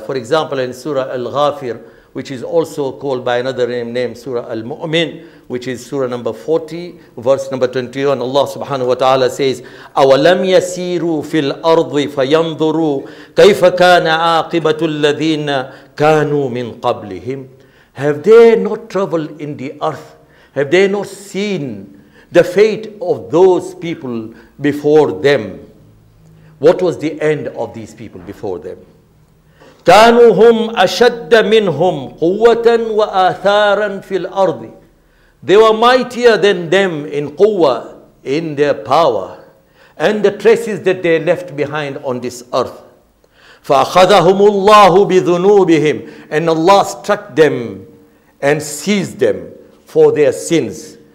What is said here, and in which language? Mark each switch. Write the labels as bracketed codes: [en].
[en] For example, in Surah Al-Ghafir, which is also called by another name, Surah Al-Mu'min, which is Surah number 40, verse number 21, Allah subhanahu wa ta'ala says, [ar] أَوَلَمْ يَسِيرُوا فِي الْأَرْضِ فَيَنْظُرُوا كَيْفَ كَانَ عَاقِبَةُ الَّذِينَ كَانُوا مِنْ قَبْلِهِمْ. [en] Have they not traveled in the earth? Have they not seen the fate of those people before them? What was the end of these people before them? [ar] كانوا هم أشد منهم قوة وآثارا في الأرض. [en] They were mightier than them in quwwah, in their power, and the traces that they left behind on this earth. [ar] فأخذهم الله بذنوبهم, [en] and Allah struck them and seized them for their sins.